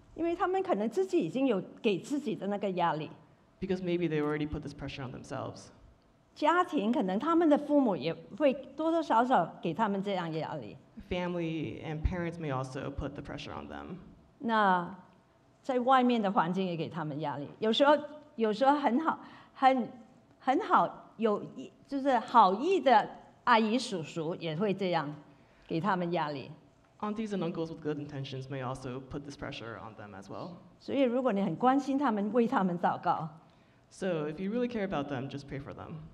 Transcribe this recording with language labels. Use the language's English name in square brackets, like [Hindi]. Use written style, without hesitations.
[Chinese] 因为他们可能自己已经有给自己的那个压力。 [English] Because maybe they already put this pressure on themselves. [Chinese] 家庭可能他们的父母也会多多少少给他们这样压力。 [English] Family and parents may also put the pressure on them. [Chinese] 那在外面的环境也给他们压力。有时候很好，有就是好意的阿姨叔叔也会这样给他们压力。 [English] Aunties and uncles with good intentions may also put this pressure on them as well. [Chinese] 所以如果你很关心他们，为他们祷告。 [English] So if you really care about them, just pray for them.